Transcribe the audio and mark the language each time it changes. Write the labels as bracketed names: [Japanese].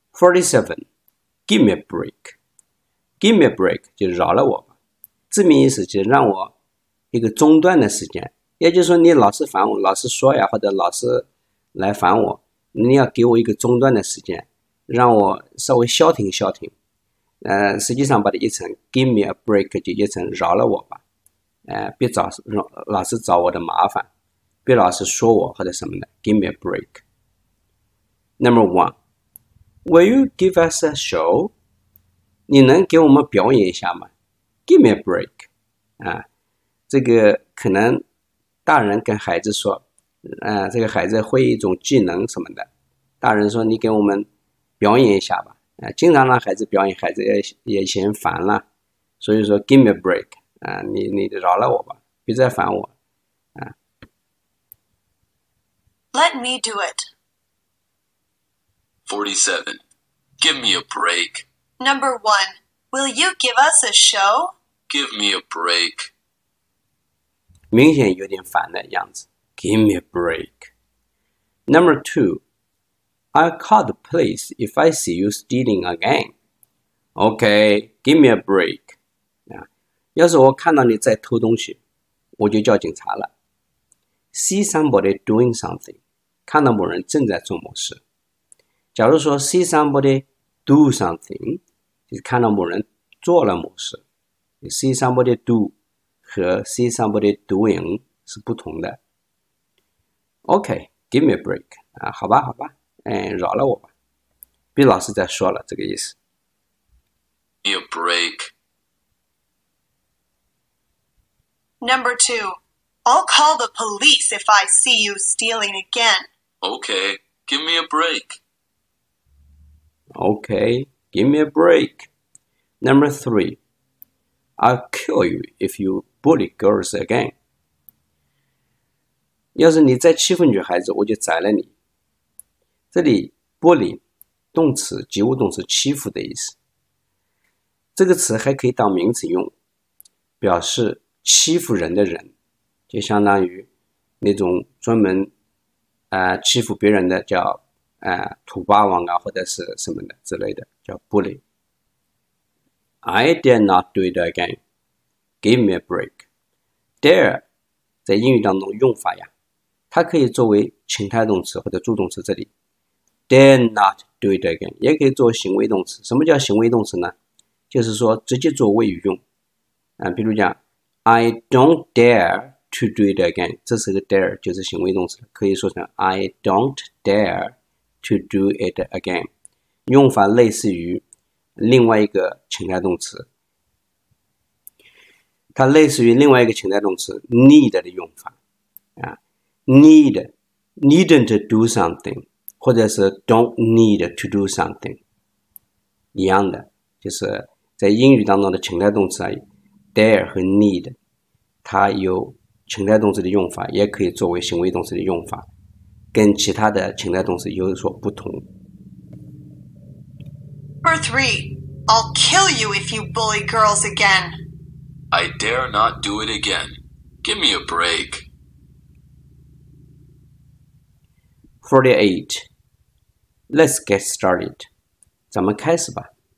[English] Forty-seven. Give me a break. Give me a break [Chinese] 就饶了我吧。字面意思就让我一个中断的时间。也就是说，你老是烦我，老是说呀，或者老是来烦我，你要给我一个中断的时间。让我稍微消停消停，实际上把它译成 [English] "give me a break" [Chinese] 就译成饶了我吧，别找老是找我的麻烦，别老是说我或者什么的 ，give me a break。 [English] Number one, will you give us a show? [Chinese] 你能给我们表演一下吗 ？ [English] Give me a break， [Chinese] 啊，这个可能大人跟孩子说，这个孩子会一种技能什么的，大人说你给我们。表演一下吧，经常让孩子表演，孩子也嫌烦了，所以说 [English] give me a break， [Chinese] 你饶了我吧，别再烦我， [English] Let me do it. 47. Give me a break. Number one, will you give us a show? Give me a break. [Chinese] 明显有点烦的样子 ， [English] give me a break. Number two. I'll call the police if I see you stealing again. Okay, give me a break. [Chinese] 要是我看到你在偷东西，我就叫警察了。 [English] See somebody doing something. [Chinese] 看到某人正在做某事。假如说 [English] see somebody do something, [Chinese] 就是看到某人做了某事。 [English] See somebody do [Chinese] 和 [English] see somebody doing [Chinese] 是不同的。 [English] Okay, give me a break. [Chinese] 好吧，好吧。饶了我吧，别老是在说了，这个意思。 [English] Give me a break. Number two, I'll call the police if I see you stealing again. Okay, give me a break. Okay, give me a break. Number three, I'll kill you if you bully girls again. [Chinese] 要是你再欺负女孩子，我就宰了你。这里 bully 动词及物动词欺负的意思，这个词还可以当名词用，表示欺负人的人，就相当于那种专门欺负别人的叫土霸王啊或者是什么的之类的叫 bully。 [English] I dare not do it again. Give me a break. [Chinese] Dare 在英语当中用法呀，它可以作为情态动词或者助动词，这里 [English] Dare not do it again， [Chinese] 也可以做行为动词。什么叫行为动词呢？就是说直接做谓语用。比如讲 ， [English] I don't dare to do it again， [Chinese] 这是个 dare， 就是行为动词，可以说成 I don't dare to do it again。用法类似于另外一个情态动词它类似于另外一个情态动词 need 的用法， [English] needn't do something， [Chinese] 或者是 [English] don't need to do something， [Chinese] 一样的，就是在英语当中的情态动词啊 ，there 和 need， 它有情态动词的用法，也可以作为行为动词的用法，跟其他的情态动词有所不同。 [English] For three, I'll kill you if you bully girls again. I dare not do it again. Give me a break. 48. Let's get started. [Chinese] 咱们开始吧。